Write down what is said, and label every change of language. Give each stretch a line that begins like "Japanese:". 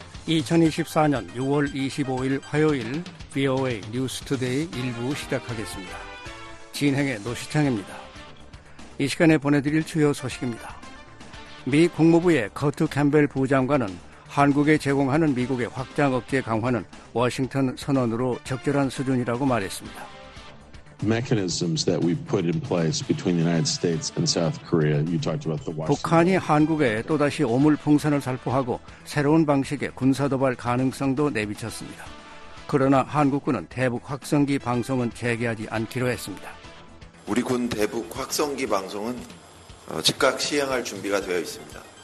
Korean: 2024년 6월 25일 화요일 비오에이 뉴스 투데이 1부 시작하겠습니다. 진행의 노시창입니다. 이 시간에 보내드릴 주요 소식입니다. 미 국무부의 커트 캠벨 부장관은 한국에 제공하는 미국의 확장 억제 강화는 워싱턴 선언으로 적절한 수준이라고 말했습니다.
English: Mechanisms that we put in place between the United States and South Korea. You talked about the Washington.
Korean: 북한이 한국에 또다시 오물 풍선을 살포하고 새로운 방식의 군사 도발 가능성도 내비쳤습니다. 그러나 한국군은 대북 확성기 방송은 재개하지 않기로 했습니다. 우리 군 대북 확성기 방송은 즉각 시행할 준비가 되어 있습니다.